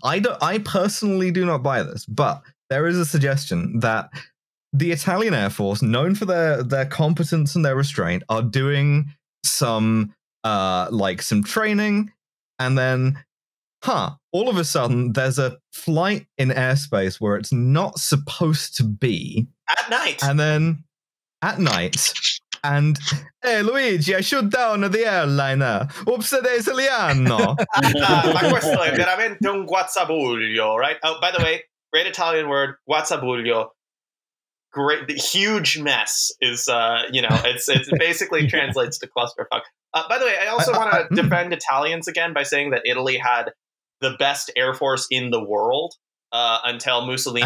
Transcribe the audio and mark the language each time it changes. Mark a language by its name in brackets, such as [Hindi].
[English] I personally do not buy this, but there is a suggestion that the Italian Air Force, known for their competence and their restraint, are doing some training, and then, all of a sudden, there's a flight in airspace where it's not supposed to be. At night! And then, at night, and, hey, Luigi, I shoot down the airliner. Upsa de Siliano. [Italian] Ma questo è veramente un guazzabuglio, [English] right? Oh, by the way, great Italian word, guazzabuglio. Great, the huge mess is, it's basically translates to clusterfuck. By the way, I also want to defend Italians again by saying that Italy had the best air force in the world until Mussolini